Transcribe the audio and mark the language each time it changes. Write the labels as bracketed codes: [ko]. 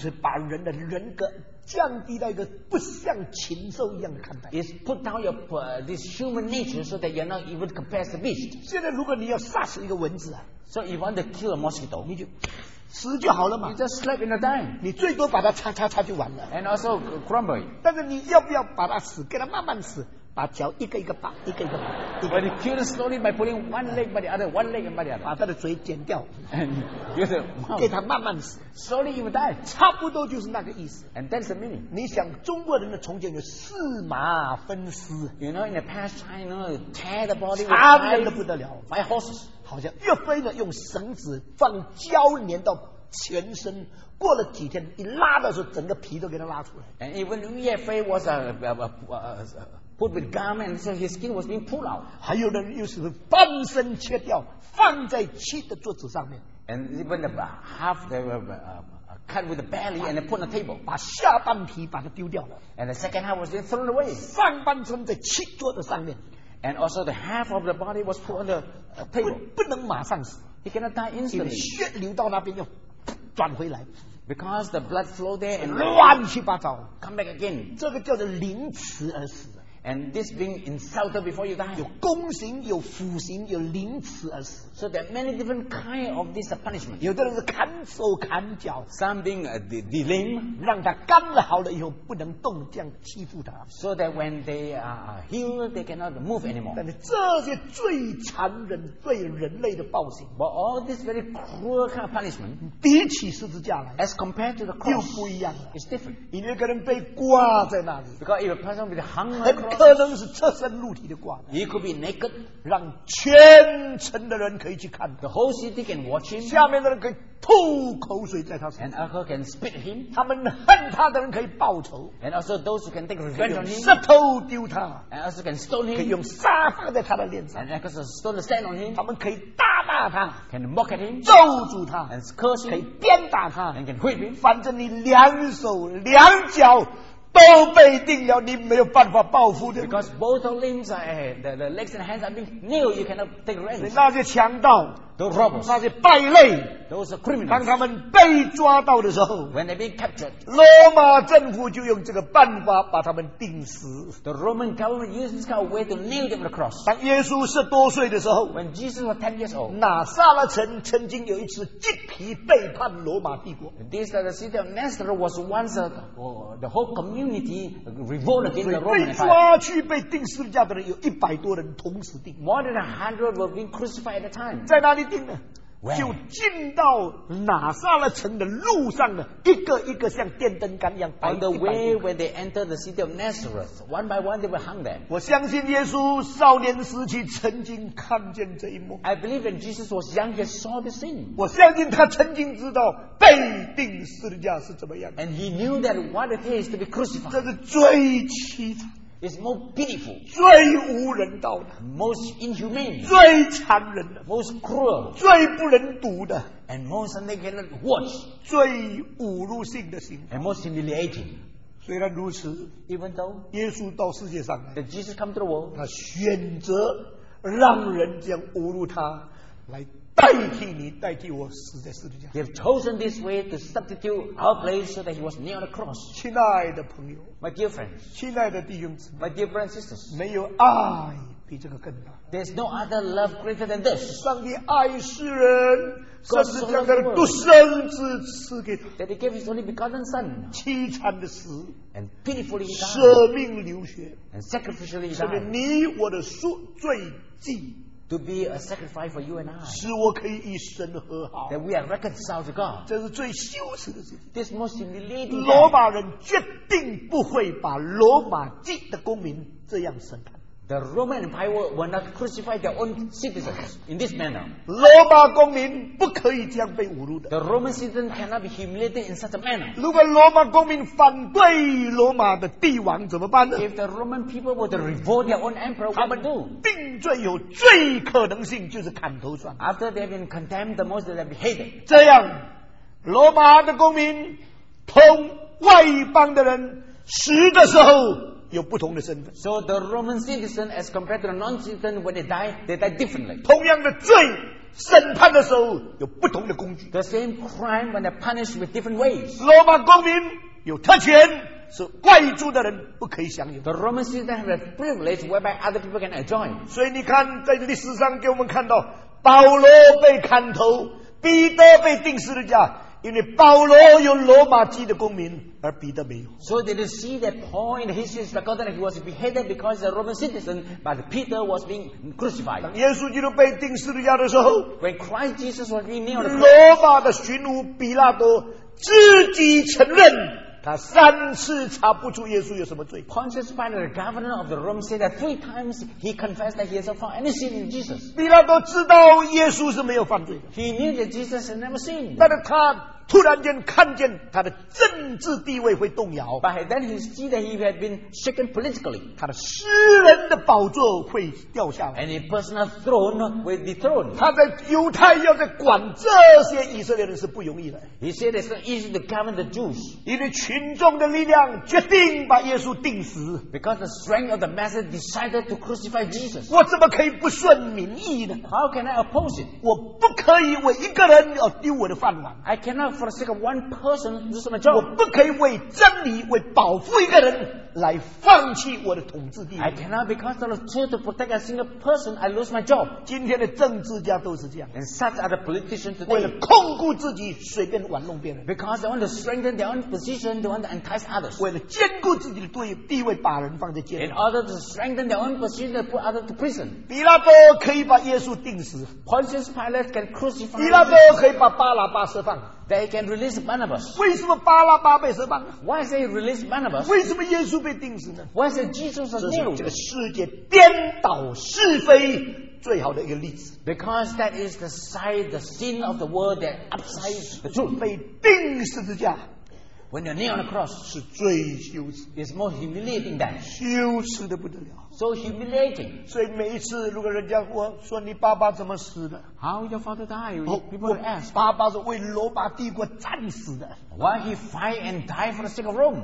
[zh] 是把人的人格降低到一个不像禽兽一样的看待。 [en] It's put down your this human nature so that you're not even compared to beast. [zh] 现在如果你要杀死一个蚊子啊 [en] ，So if you want to kill a mosquito, [zh] 你就死就好了嘛。 [en] You just slap in the dime. [zh] 你最多把它擦擦擦就完了。 [en] And also crumble. [zh] 但是你要不要把它死？给它慢慢死。把脚一个一个拔，一个一个拔。 [en] When you kill slowly by pulling one leg by the other, one leg by the other， [zh] 把他的嘴剪掉。 [en] And you say, [zh] 给他慢慢死。 [en] Slowly you die， [zh] 差不多就是那个意思。 [en] And that's the meaning。 [zh] 你想中国人的从前有四马分尸 [en] ，You know in the past China tear the body， [zh] 杀人的不得了 [en] ，five horses， [zh] 好像越飞呢用绳子放胶粘到全身。过了几天一拉的时候，整个皮都给他拉出来。 [en] And even 岳飞 was put with garment, so his skin was being pulled out. [zh] 还有人又是半身切掉，放在漆的桌子上面。 [en] And even the half the cut with the belly and put on the table. [zh] 把下半皮把它丢掉了。 [en] And the second half was then thrown away. [zh] 上半身在漆桌子上面。 [en] And also the half of the body was put on the table. [zh] 不能马上死。 [en] He cannot die instantly. [zh] 血流到那边又转回来。 [en] Because the blood flowed there and [zh] 乱七八糟。 [en] Come back again. [zh] 这个叫做凌迟而死。 [en] And this being insulted before you die. [zh] 有宫刑，有腐刑，有凌迟而死。 [en] So there are many different kind of this punishment. [zh] 有的人是砍手砍脚。 [en] Some being delimbed. [zh] 让他干了好了以后不能动，这样欺负他。 [en] So that when they are healed, they cannot move anymore. [zh] 但是这些最残忍、对人类的暴行。 [en] But all this very cruel kind of punishment. [zh] 比起十字架来。 [en] As compared to the cross. [zh] 又不一样了。 [en] It's different. [zh] 因为一个人被挂在那里。 [en] Because if a person be hung on [zh] 可能是赤身露体的挂的 [en] He could be naked [zh] 让全城的人可以去看 [en] The whole city can watch him [zh] 下面的人可以吐口水在他身上 [en] And others can spit him [zh] 他们恨他的人可以报仇 [en] And also those who can take revenge on him [zh] 石头丢他 [en] And also can stone him [zh] 可以用沙放在他的脸上 [en] And others stone the sand on him [zh] 他们可以大骂他 [en] Can mock at him [zh] 咒诅他 [en] And curse him [zh] 可以鞭打他 [en] And can whip him [zh] 反正你两手两脚都被定了，你没有办法报复的。 [en] Because both of limbs are the legs and hands are being nailed, you cannot take revenge. [zh] 那些强盗 [en] ，those robbers， [zh] 那些败类 [en] ，those criminals。 [zh] 当他们被抓到的时候 [en] ，when they being captured， [zh] 罗马政府就用这个办法把他们钉死。 [en] The Roman government used this kind of way to nail them to the cross. [zh] 当耶稣十多岁的时候 [en] ，when Jesus was 10 years old， [zh] 拿撒勒城曾经有一次鸡皮背叛罗马帝国。 [en] This the city of Nazareth was once the whole community. Unity revolt against the Roman Empire. [zh] 被抓去被钉十字架的人有一百多人同时钉。 [en] More than 100 were being crucified at the time. [zh] 在哪里钉呢？ [en] Where? [zh] 就进到拿撒勒城的路上呢，一个一个像电灯杆一样摆。 [en] On the way when they entered the city of Nazareth, one by one they were hung there. [zh] 我相信耶稣少年时期曾经看见这一幕。 [en] I believe when Jesus was young, he saw the scene. [zh] 我相信他曾经知道被钉十字架是怎么样。 [en] And he knew that what it is to be crucified. [zh] 这是最凄惨。 [en] is most pitiful， [zh] 最无人道的 [en] ，most inhumane， [zh] 最残忍的 [en] ，most cruel， [zh] 最不能读的 [en] ，and most naked words， [zh] 最侮辱性的刑 [en] ，and most humiliating。 [zh] 虽然如此 [en] ，even though [zh] 耶稣到世界上 [en] ，that Jesus come to the world， [zh] 他选择让人将侮辱他来代替你，代替我死在十字架。 [en] He has chosen this way to substitute our place so that he was nailed on the cross。 [zh] 亲爱的朋友 [en] ，my dear friends， [zh] 亲爱的弟兄姊妹 [en] ，my dear brothers and sisters， [zh] 没有爱比这个更大。 [en] There's no other love greater than this。 [zh] 上帝爱世人，甚至将他的独生子赐给他。 [en] That he gave his only begotten son。 [zh] 凄惨的死 [en] ，and pitifully died。 [zh] 舍命流血 [en] ，and sacrificially died。成 [zh] 为你我的赎罪祭。 [en] To be a sacrifice for you and I， [zh] 使我可以与神和好。 [en] That we are reconciled to God， [zh] 这是最羞耻的事情。 [en] This most humiliating。 [zh] 罗马人决定不会把罗马籍的公民这样审判。 [en] The Roman Empire will not crucify their own citizens in this manner。 [zh] 罗马公民不可以这样被侮辱的。 [en] The Roman citizen cannot be humiliated in such a manner。 [zh] 如果罗马公民反对罗马的帝王怎么办呢 [en] ？If the Roman people were to revolt their own emperor, what would they do？ [zh] 定罪有最可能性就是砍头算。 [en] After they have been condemned, the most they have been hated。 [zh] 这样，罗马的公民同外邦的人死的时候。有不同的身份。 [en] So the Roman citizen, as compared to the non-citizen, when they die differently. [zh] 同样的罪，审判的时候有不同的工具。 [en] The same crime when they're punished with different ways. [zh] 罗马公民有特权，是外族的人不可以享有。 [en] The Roman citizen has a privilege whereby other people can enjoy. [zh] 所以你看，在历史上给我们看到，保罗被砍头，彼得被钉十字架，因为保罗有罗马籍的公民。而彼得没有。 [en] So did you see that Paul in his history recorded that he was beheaded because he's a Roman citizen, but Peter was being crucified. [zh] 当耶稣基督被钉十字架的时候 [en] ，When Christ Jesus was being nailed, [zh] 罗马的巡抚比拉多自己承认他三次查不出耶稣有什么罪。 [en] Pontius Pilate, the governor of the Rome, said that three times he confessed that he has not found any sin in Jesus. [zh] 比拉多知道耶稣是没有犯罪的。 [en] He knew that Jesus had never sinned. [zh] 但是他突然间看见他的政治地位会动摇 [en] ，But then he see that he had been shaken politically， [zh] 他的私人的宝座会掉下来 [en] ，And his personal throne will be thrown。 [zh] 他在犹太要在管这些以色列人是不容易的 [en] ，He said it's not easy to govern the Jews， [zh] 因为群众的力量决定把耶稣钉死 [en] ，Because the strength of the masses decided to crucify Jesus。 [zh] 我怎么可以不顺民意呢 [en] ？How can I oppose it？ [zh] 我不可以为一个人要丢我的饭碗 [en] ，I cannot。 For the sake of one person, do some job. [zh] 我不可以为真理、为保护一个人来放弃我的统治地位。 [en] I cannot because of the truth to protect a single person, I lose my job. [zh] 今天的政治家都是这样。 [en] And such are the politicians today. [zh] 为了控制自己，随便玩弄别人。 [en] Because they want to strengthen their own position, they want to entice others. [zh] 为了坚固自己的对地位，把人放在监狱。 [en] In order to strengthen their own position, they put others to prison. [zh] 比拉多可以把耶稣钉死。 [en] Pontius Pilate can crucify. [zh] 比拉多可以把巴拉巴释放。 [en] They can release Barnabas. [zh] 为什么巴拉巴被释放？ [en] Why they release Barnabas? [zh] 为什么耶稣被钉死呢？ [en] Why they Jesus was nailed? [zh] 这是这个世界颠倒是非最好的一个例子。 [en] Because that is the side, the sin of the world that upsides the truth. [zh] 被钉十字架。 [en] When you're nailed on the cross, [zh] 是最羞耻。 [en] It's more humiliating than [zh] 羞耻的不得了。 [en] So humiliating. [zh] 所以每一次如果人家问说你爸爸怎么死的 [en] ？How your father died?、Oh, people would ask. [zh] 爸爸是为罗马帝国战死的。 [en] Why he fight and die for the sake of Rome?